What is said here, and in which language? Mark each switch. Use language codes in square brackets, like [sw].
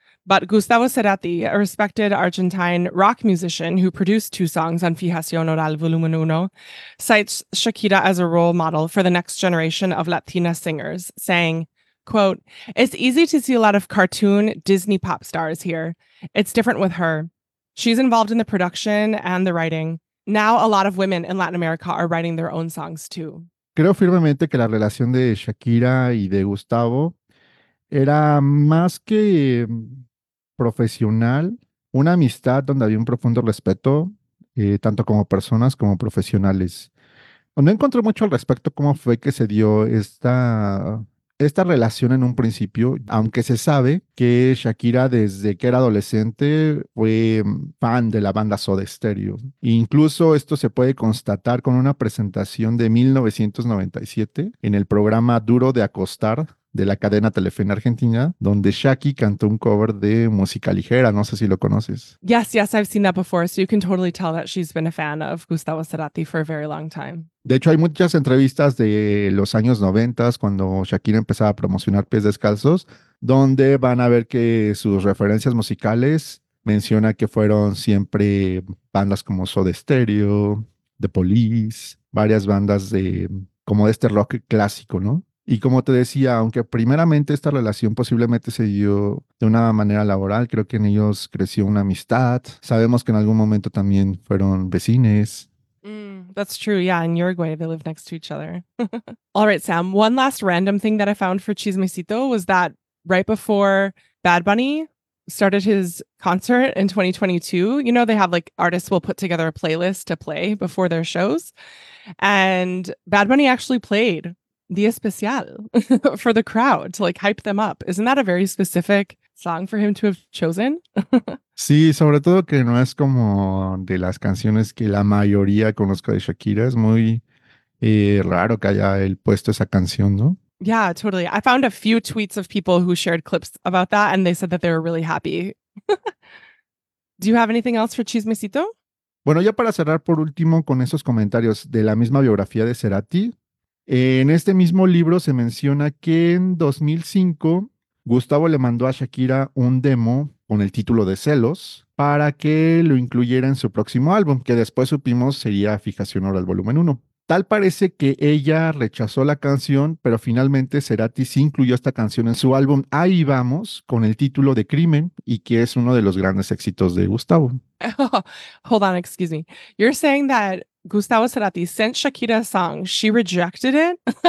[en] But Gustavo Cerati, a respected Argentine rock musician who produced two songs on Fijación Oral Volumen Uno, cites Shakira as a role model for the next generation of Latina singers, saying, quote, it's easy to see a lot of cartoon Disney pop stars here. It's different with her. She's involved in the production and the writing. Now a lot of women in Latin America are writing their own songs too. [es] Creo firmemente que la relación de Shakira y de Gustavo era más que profesional, una amistad donde había un profundo respeto, tanto como personas como profesionales. No encontré mucho al respecto cómo fue que se dio esta relación en un principio, aunque se sabe que Shakira desde que era adolescente fue fan de la banda Soda Stereo. Incluso esto se puede constatar con una presentación de 1997 en el programa Duro de Acostar de la cadena Telefe en Argentina, donde Shaki cantó un cover de Música Ligera. No sé si lo conoces. [en] Yes, yes, I've seen that before. So you can totally tell that she's been a fan of Gustavo Cerati for a very long time. [es] De hecho, hay muchas entrevistas de los años 90, cuando Shakira empezaba a promocionar Pies Descalzos, donde van a ver que sus referencias musicales menciona que fueron siempre bandas como Soda Stereo, The Police, varias bandas de como de este rock clásico, ¿no? Y como te decía, aunque primeramente esta relación posiblemente se dio de una manera laboral, creo que en ellos creció una amistad. Sabemos que en algún momento también fueron vecines. [en] That's true. Yeah, in Uruguay, they live next to each other. All right, Sam. One last random thing that I found for Chismecito was that right before Bad Bunny started his concert in 2022, you know, they have like artists will put together a playlist to play before their shows. And Bad Bunny actually played Día Especial for the crowd to like hype them up. Isn't that a very specific song for him to have chosen? [es] Sí, sobre todo que no es como de las canciones que la mayoría conozco de Shakira. Es muy raro que haya él puesto esa canción, ¿no? [en] Yeah, totally. I found a few tweets of people who shared clips about that and they said that they were really happy. Do you have anything else for Chismecito? [es] Bueno, ya para cerrar por último con esos comentarios de la misma biografía de Cerati, en este mismo libro se menciona que en 2005 Gustavo le mandó a Shakira un demo con el título de Celos para que lo incluyera en su próximo álbum, que después supimos sería Fijación Oral Volumen 1. Tal parece que ella rechazó la canción, pero finalmente Cerati sí incluyó esta canción en su álbum Ahí Vamos, con el título de Crimen, y que es uno de los grandes éxitos de Gustavo. [en] Oh, hold on, excuse me. You're saying that Gustavo Cerati sent Shakira a song, she rejected it?